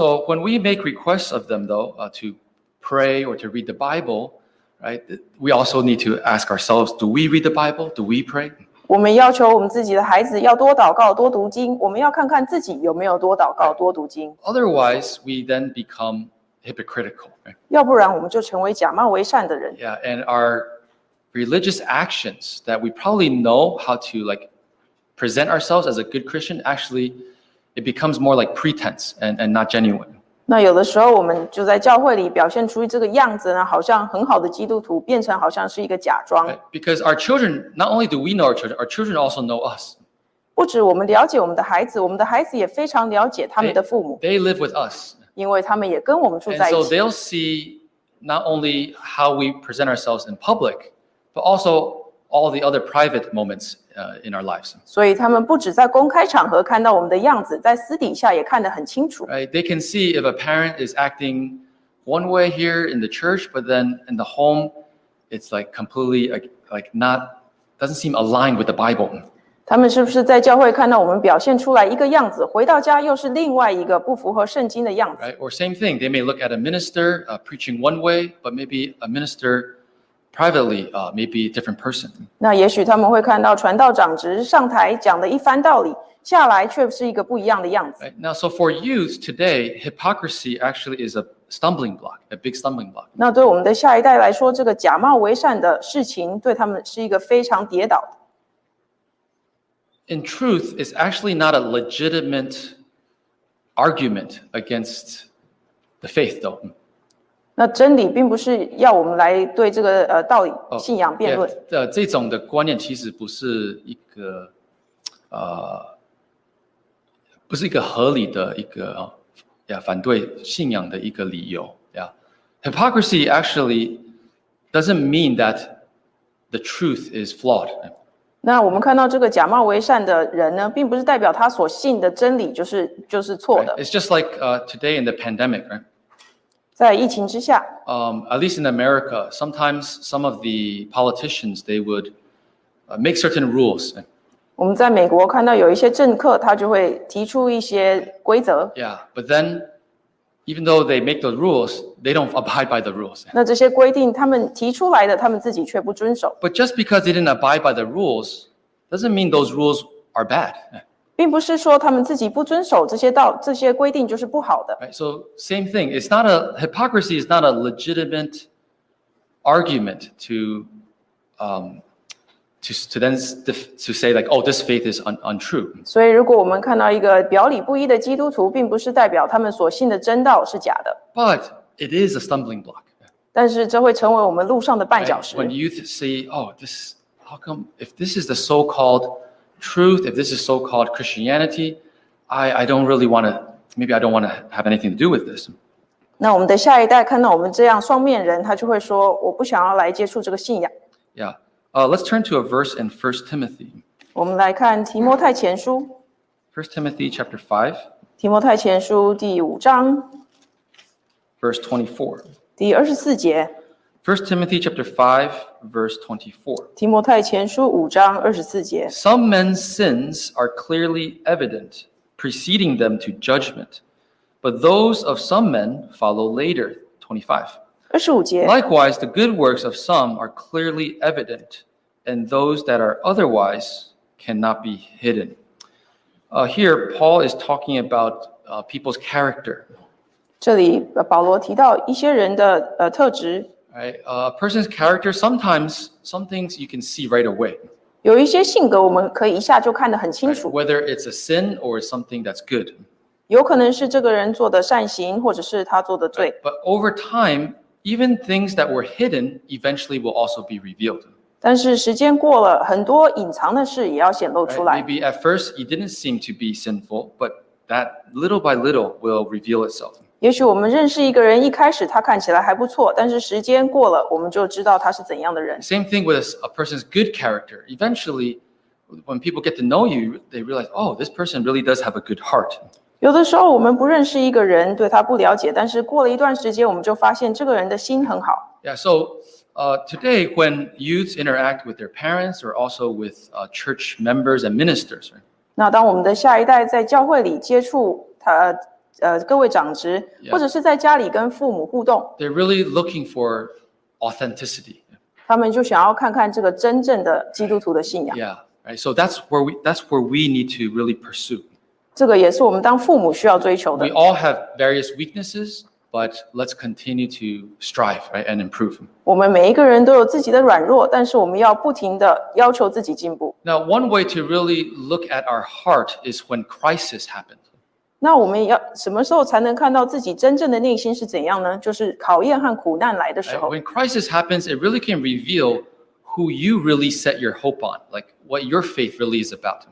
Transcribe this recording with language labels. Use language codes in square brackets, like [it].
[en] So when we make requests of them, though, to pray or to read the Bible, right, we also need to ask ourselves: Do we read the Bible? Do we pray? [zh] 我们要求我们自己的孩子要多祷告、多读经。我们要看看自己有没有多祷告、多读经。 [en] Otherwise, we then become hypocritical. [zh] 要不然我们就成为假冒为善的人。 [en] Yeah, and our religious actions that we probably know how to like present ourselves as a good Christian, actually, it becomes more like pretense and not genuine. [zh] 那有的时候我们就在教会里表现出这个样子呢，好像很好的基督徒，变成好像是一个假装。 [en] Right? Because our children, not only do we know our children also know us. [zh] 不止我们了解我们的孩子，我们的孩子也非常了解他们的父母。 [en] They live with us. [zh] 因为他们也跟我们住在一起。 [en] And so they'll see not only how we present ourselves in public, but also all the other private moments in our lives. [zh] 所以他们不只在公开场合看到我们的样子，在私底下也看得很清楚。 [en] Right, they can see if a parent is acting one way here in the church, but then in the home, it's like completely like not doesn't seem aligned with the Bible. [zh] 他们是不是在教会看到我们表现出来一个样子，回到家又是另外一个不符合圣经的样子？ [en] Right, or same thing, they may look at a minister preaching one way, but maybe a minister privately may be a different person. [zh] 那也许他们会看到传道长只是上台讲的一番道理，下来却是一个不一样的样子。 [en] Right, now, so for youth today, hypocrisy actually is a big stumbling block. [zh] 那对我们的下一代来说，这个假冒为善的事情对他们是一个非常跌倒的。 [en] In truth, it's actually not a legitimate argument against the faith, though. [zh] 那真理并不是要我们来对这个道理信仰辩论。这种的观念其实不是一个不是一个合理的一个反对信仰的一个理由。 [en] Hypocrisy actually doesn't mean that the truth is flawed. [zh] 那我们看到这个假冒为善的人呢，并不是代表他所信的真理就是错的。 [en] Right? It's just like today in the pandemic, right? [zh] 在疫情之下。 [en] At least in America, sometimes some of the politicians, they would make certain rules. [zh] 我们在美国看到有一些政客，他就会提出一些规则。 [en] Yeah, but then, even though they make the rules, they don't abide by the rules. [zh] 那这些规定，他们提出来的，他们自己却不遵守。 [en] But just because they didn't abide by the rules, doesn't mean those rules are bad. [zh] 并不是说他们自己不遵守这些规定就是不好的。 [en] Right, so same thing. It's not a hypocrisy. Is not a legitimate argument to then say like, oh, this faith is untrue. [zh] 所以如果我们看到一个表里不一的基督徒，并不是代表他们所信的真道是假的。 [en] But it is a stumbling block. [zh] 但是这会成为我们路上的绊脚石。 [en] When youth see, oh, this, how come, if this is the so-called truth, if this is so-called Christianity, I don't want to have anything to do with this. [zh] 那我们的下一代看到我们这样双面人，他就会说，我不想要来接触这个信仰。 [en] Yeah. Let's turn to a verse in 1 Timothy. [zh] 我们来看提摩太前书。 [en] 1 Timothy chapter 5. [zh] 提摩太前书第五章。 [en] Verse [zh] 24. 第24节。 [en] 1 Timothy chapter 5, verse 24. [zh] 提摩太前书五章24节。 [en] Some men's sins are clearly evident, preceding them to judgment, but those of some men follow later. 25. [zh] 25节。 [en] Likewise, the good works of some are clearly evident, and those that are otherwise cannot be hidden. Here, Paul is talking about people's character. [zh] 这里保罗提到一些人的特质。 [en] A person's character, sometimes some things you can see right away. [zh] 有一些性格我们可以一下就看得很清楚。 [en] Whether it's a sin or something that's good. [zh] 有可能是这个人做的善行，或者是他做的罪。 [en] But over time, even things that were hidden eventually will also be revealed. [zh] 但是时间过了，很多隐藏的事也要显露出来。 [en] Maybe at first it didn't seem to be sinful, but that little by little will reveal itself. [zh] 也许我们认识一个人，一开始他看起来还不错，但是时间过了，我们就知道他是怎样的人。 [en] Same thing with a person's good character. Eventually, when people get to know you, they realize, oh, this person really does have a good heart. [zh] 有的时候我们不认识一个人，对他不了解，但是过了一段时间，我们就发现这个人的心很好。 [en] Yeah, so, today when youths interact with their parents or also with church members and ministers, right? [zh] 那当我们的下一代在教会里接触他各位长职， [en] yeah. [zh] 或者是在家里跟父母互动， [en] they're really looking for authenticity. [zh] 他们就想要看看这个真正的基督徒的信仰。 [en] Yeah, right. So that's where we need to really pursue. [zh] 这个也是我们当父母需要追求的。 [en] We all have various weaknesses, but let's continue to strive, right, and improve. [zh] 我们每一个人都有自己的软弱，但是我们要不停的要求自己进步。 [en] Now, one way to really look at our heart is when crisis happens. [zh] 那我们要什么时候才能看到自己真正的内心是怎样呢？就是考验和苦难来的时候。 [en] When crisis happens, it really can reveal who you really set your hope on, like what your faith really is about.